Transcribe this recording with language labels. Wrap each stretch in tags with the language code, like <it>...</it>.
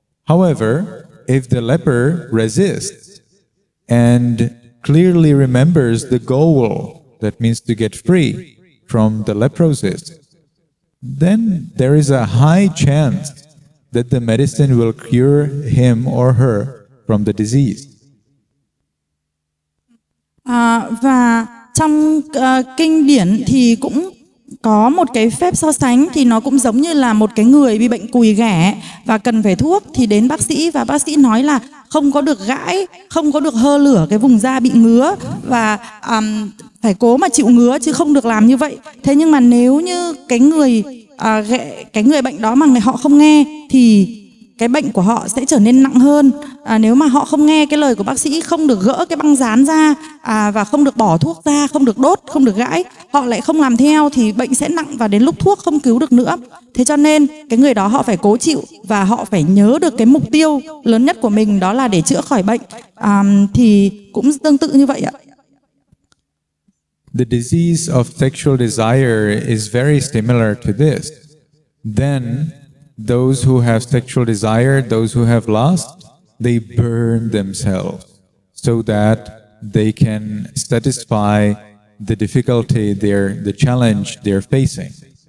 <en>However, if the leper resists and clearly remembers the goal, that means to get free from the leprosy, then there is a high chance that the medicine will cure him or her from the disease.</en> <vi>Và trong kinh điển thì cũng có một cái phép so sánh, thì nó cũng giống như là một cái người bị bệnh cùi ghẻ và cần phải thuốc, thì đến bác sĩ và bác sĩ nói là không có được gãi, không có được hơ lửa cái vùng da bị ngứa, và phải cố mà chịu ngứa chứ không được làm như vậy. Thế nhưng mà nếu như cái người cái người bệnh đó mà họ không nghe thì cái bệnh của họ sẽ trở nên nặng hơn. Nếu mà họ không nghe cái lời của bác sĩ, không được gỡ cái băng dán ra và không được bỏ thuốc ra, không được đốt, không được gãi, họ lại không làm theo thì bệnh sẽ nặng và đến lúc thuốc không cứu được nữa. Thế cho nên cái người đó họ phải cố chịu và họ phải nhớ được cái mục tiêu lớn nhất của mình, đó là để chữa khỏi bệnh. Thì cũng tương tự như vậy ạ.</vi> <en>The disease of sexual desire is very similar to this. Then those who have sexual desire, those who have lust, they burn themselves so that they can satisfy the difficulty, the challenge they're facing.</en>